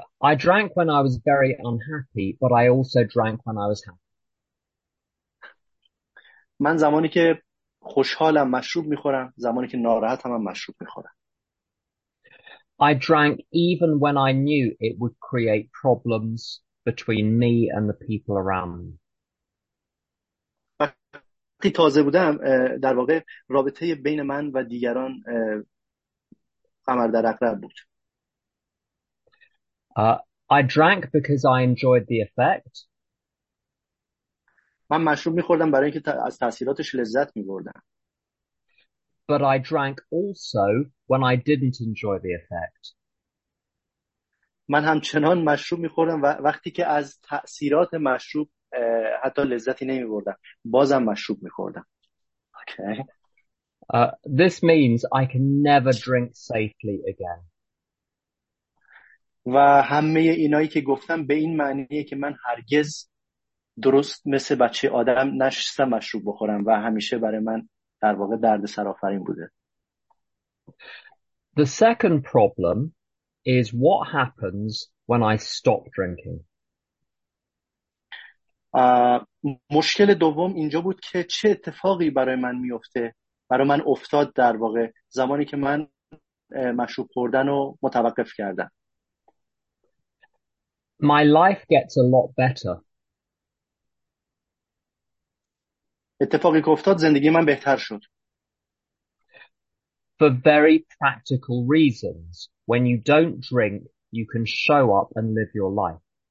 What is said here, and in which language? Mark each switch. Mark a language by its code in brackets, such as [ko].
[en] I drank when I was very unhappy, but I also drank when I was happy. [fa] من زمانی که خوشحالم مشروب میخورم زمانی که ناراحتم هم مشروب میخورم. [en] I drank even when I knew it would create problems between me and the people around me. [fa] وقتی تازه بودم در واقع رابطه بین من و دیگران قمر در عقرب بود. [en] I drank because I enjoyed the effect. [fa] من مشروب می‌خوردم برای اینکه از تأثیراتش لذت می‌بردم. [en] But I drank also when I didn't enjoy the effect. [fa] من همچنان مشروب می‌خوردم وقتی که از تأثیرات مشروب حتی لذتی نمی‌بردم. بازم مشروب می‌خوردم. Okay. [en] This means I can never drink safely again. [fa] و همه اینایی که گفتم به این معنیه که من هرگز درست مثل بچه آدم نشستم مشروب بخورم و همیشه برای من در واقع درد سرآفرین بوده. [en] The second problem is what happens when I stop drinking. [fa] مشکل دوم اینجا بود که چه اتفاقی برای من میفته برای من افتاد در واقع زمانی که من مشروب خوردن رو متوقف کردم. [en] My life gets a lot better. [fa] اتفاقی که افتاد زندگی من بهتر شد. [en] For very practical reasons, when you don't drink, you can show up and live your life.